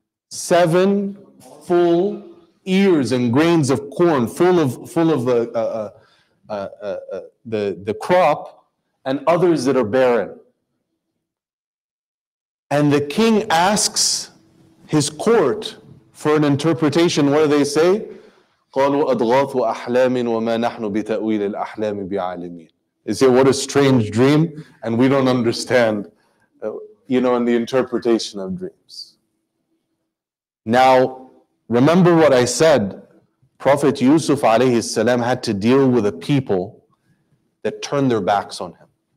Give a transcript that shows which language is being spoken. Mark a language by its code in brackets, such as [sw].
[en] Seven full ears and grains of corn full of the crop and others that are barren. And the king asks his court for an interpretation. What do they say? [ar] قالوا أضغاث أحلام وما نحن بتأويل الأحلام بعالمين. [en] They say, what a strange dream, and we don't understand, you know, in the interpretation of dreams. Now, remember what I said, Prophet Yusuf alayhi salam had to deal with a people that turned their backs on him.